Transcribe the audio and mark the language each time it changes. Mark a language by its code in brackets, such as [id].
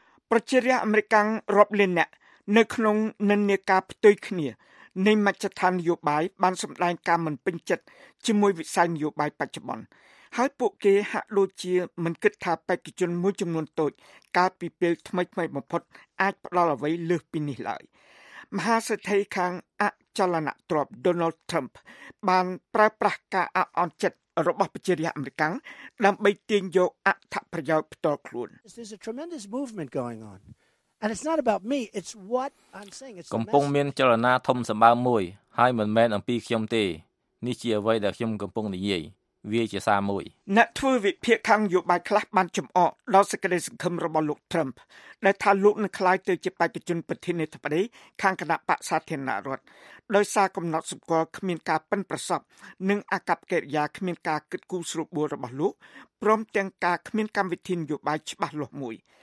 [km] ប្រជារាស្ត្រអាមេរិកកាំងរាប់លានអ្នកនៅក្នុងនិន្នាការផ្ទុយគ្នានៃមជ្ឈដ្ឋាននយោបាយបានសម្ដែងការមិនពេញចិត្តជាមួយវិស័យនយោបាយបច្ចុប្បន្នហើយពួកគេហាក់ដូចជាមិនគិតថាបេក្ខជនមួយចំនួនតូចកាលពីពេលថ្មីៗបំផុតអាចផ្ដល់អ្វីលើសពីនេះឡើយមហាសេដ្ឋីខាងអចលនទ្រព្យ Donald Trump បានប្រើប្រាស់ការអាក់អន់ចិត្តរបស់ប្រជារាស្ត្រអាមេរិកដើម្បីទាញយកអត្ថប្រយោជន៍ផ្ទាល់ខ្លួន [en] And it's not about me, it's what I'm saying. [km] កំពុងមានចលនាធំសម្បើមមួយហើយមិនមែនអំពីខ្ញុំទេនេះជាអ្វីដែលខ្ញុំកំពុងនិយាយវាជាសារមួយ អ្នកធ្វើវិភាគខាងនយោបាយខ្លះបានចំអកដល់សេចក្តីសង្ឃឹមរបស់លោក Trump ដែលថាលោកនឹងក្លាយទៅជាបេក្ខជនប្រធានាធិបតីខាងគណៈបក្សសាធារណរដ្ឋដោយសារកំណត់សម្គាល់គ្មានការប៉ិនប្រសប់និងអាកប្បកិរិយាគ្មានការគិតគូរស្រួលបួលរបស់លោកព្រមទាំងការគ្មានកម្មវិធីនយោបាយច្បាស់លាស់មួយ